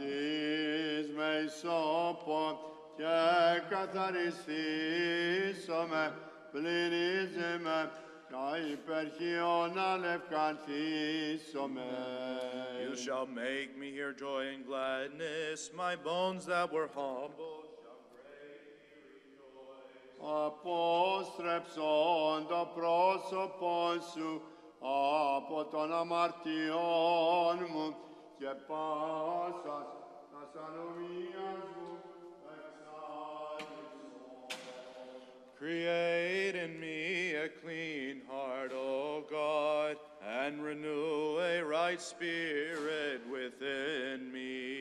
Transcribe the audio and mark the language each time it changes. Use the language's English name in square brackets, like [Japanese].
[English] You shall make me hear joy and gladness, my bones that were humble. [Greek] Αποστρέψον το πρόσωπον σου από των αμαρτιών μου και πάσας τας ανομίας μου εξάλληψον. [English] Create in me a clean heart, O God, and renew a right spirit within me.